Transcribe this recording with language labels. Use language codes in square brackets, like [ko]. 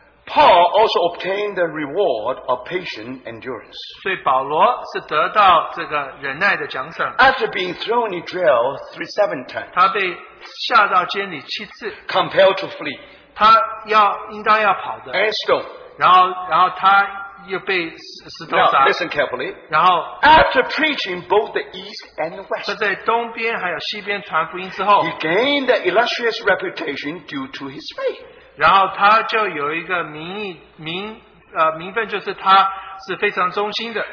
[en] Paul also obtained the reward of patient endurance. [zh] 所以保罗是得到这个忍耐的奖赏。 [en] After being thrown in jail 37 times, [zh] 他被下到监里7次, [en] compelled to flee, [zh] 他应当要跑的, [en] and stone. [zh] 然后他又被石头砸。 [en] Now, listen carefully. [zh] 然后, [en] After preaching both the East and the West, [zh] 他在东边还有西边传福音之后, [en] he gained the illustrious reputation due to his faith. [zh] 然后他就有一个名分就是他是非常忠心的。